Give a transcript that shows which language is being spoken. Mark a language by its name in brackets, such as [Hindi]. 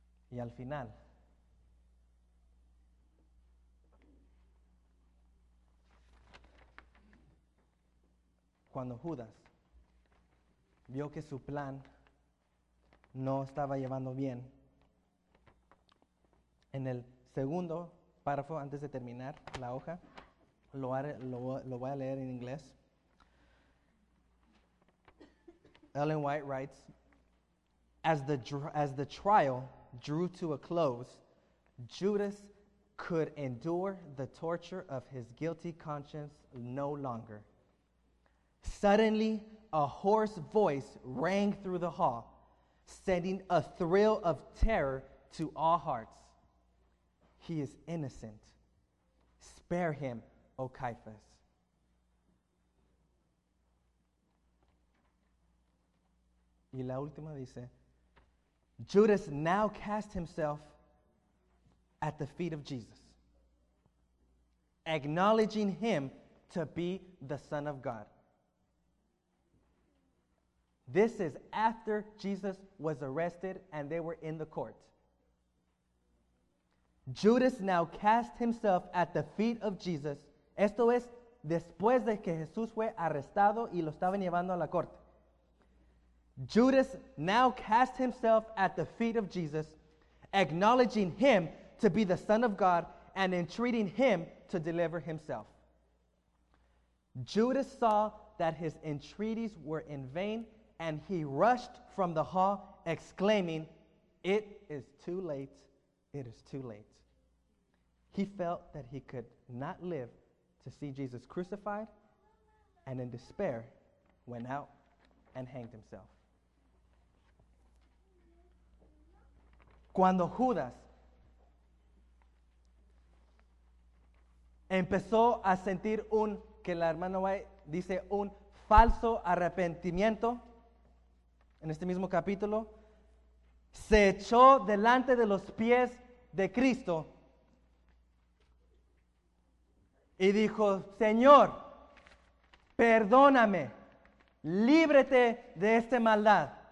[Spanish] Y al final, cuando Judas vio que su plan no estaba llevando bien, en el segundo párrafo, antes de terminar la hoja, lo voy a leer en inglés. [English] Ellen White writes, as the trial drew to a close, Judas could endure the torture of his guilty conscience no longer. Suddenly, a hoarse voice rang through the hall, sending a thrill of terror to all hearts. He is innocent. Spare him, O Caiaphas. [Spanish] Y la última dice, [English] Judas now cast himself at the feet of Jesus, acknowledging him to be the Son of God. This is after Jesus was arrested and they were in the court. Judas now cast himself at the feet of Jesus. [Spanish] Esto es después de que Jesús fue arrestado y lo estaban llevando a la corte. [English] Judas now cast himself at the feet of Jesus, acknowledging him to be the Son of God and entreating him to deliver himself. Judas saw that his entreaties were in vain and he rushed from the hall, exclaiming, "It is too late, it is too late." He felt that he could not live to see Jesus crucified, and in despair, went out and hanged himself. [Spanish] Cuando Judas empezó a sentir un, que la hermana White dice, un falso arrepentimiento, en este mismo capítulo, se echó delante de los pies de Cristo y dijo, Señor, perdóname, líbrete de esta maldad.